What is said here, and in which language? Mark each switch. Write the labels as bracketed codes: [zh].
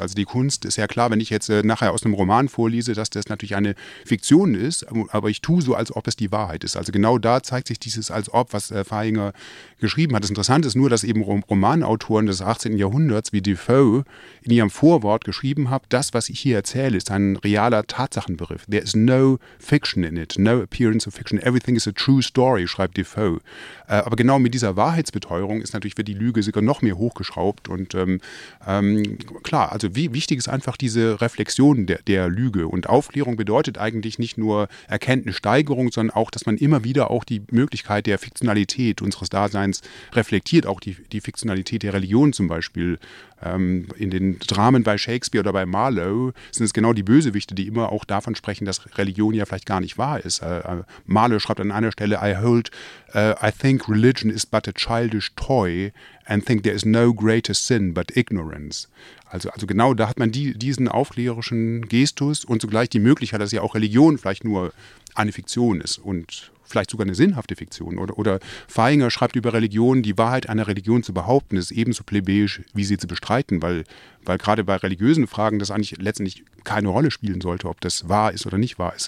[de] Also die Kunst ist ja klar, wenn ich jetzt nachher aus einem Roman vorlese, dass das natürlich eine Fiktion ist, aber ich tue so, als ob es die Wahrheit ist. Also genau da zeigt sich dieses als ob, was Feinger geschrieben hat. Das Interessante ist nur, dass eben Romanautoren des 18. Jahrhunderts wie Defoe in ihrem Vorwort geschrieben haben, das, was ich hier erzähle, ist ein realer Tatsachenbegriff. [en] There is no fiction in it, no appearance of fiction. Everything is a true story. [de] Schreibt Defoe. Aber genau mit dieser Wahrheitsbeteuerung ist natürlich, wird die Lüge sogar noch mehr hochgeschraubt. Und klar, also wichtig ist einfach diese Reflexion der Lüge. Und Aufklärung bedeutet eigentlich nicht nur Erkenntnissteigerung, sondern auch, dass man immer wieder auch die Möglichkeit der Fiktionalität unseres Daseins reflektiert, auch die Fiktionalität der Religion zum Beispiel. In den Dramen bei Shakespeare oder bei Marlowe sind es genau die Bösewichte, die immer auch davon sprechen, dass Religion ja vielleicht gar nicht wahr ist. Marlowe schreibt an einer Stelle, [en] I think religion is but a childish toy and think there is no greater sin but ignorance. [de] Also genau da hat man diesen aufklärerischen Gestus und zugleich die Möglichkeit, dass ja auch Religion vielleicht nur eine Fiktion ist und vielleicht sogar eine sinnhafte Fiktion. Oder Feinger schreibt über Religion, die Wahrheit einer Religion zu behaupten, ist ebenso plebejisch, wie sie zu bestreiten, weil gerade bei religiösen Fragen das eigentlich letztendlich keine Rolle spielen sollte, ob das wahr ist oder nicht wahr ist.